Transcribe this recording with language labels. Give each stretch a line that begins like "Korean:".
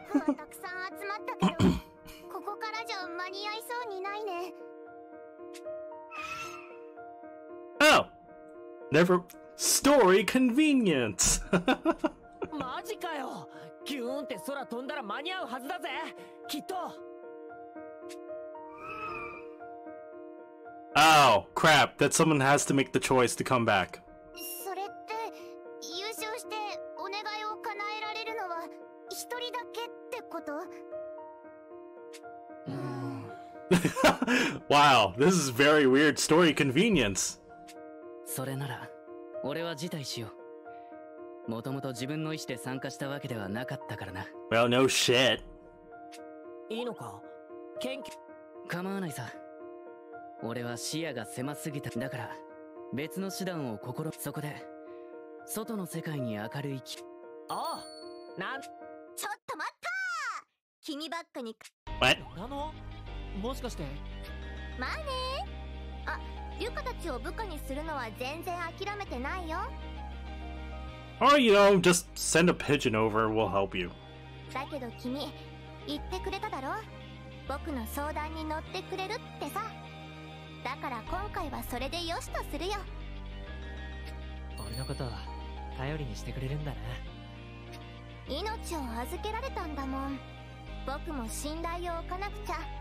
Japanese: たくさん集まったけど、ここからじゃ間に合いそうにないね。
English: Oh! Never... Story convenience!
Japanese: マジかよ! ギューンって空飛んだら間に合うはずだぜ! きっと!
English: Oh, crap, that someone has to make the choice to come back.
Japanese: それって、優勝してお願いを叶えられるのは一人だけってこと?
English: Wow, this is very weird story convenience.
Japanese: それなら、俺は辞退しよう。もともと自分の意思で参加したわけではなかったからな。
English: Well, no shit.
Japanese: いいのか?研究… 構わないさ。俺は視野が狭すぎた。だから別の手段を試す。そこで外の世界に明るい気。おう、なん、ちょっと待った。君ばっかに。え？ラノ？もしかして？まあね。あ、ユカたちを部下にするのは全然諦めてないよ。
English: Oh, you know, just send a pigeon over. We'll help you.
Japanese: だけど君言ってくれただろ。僕の相談に乗ってくれるってさ。だから今回はそれでよしとするよ。俺のことは頼りにしてくれるんだな。命を預けられたんだもん。僕も信頼を置かなくちゃ。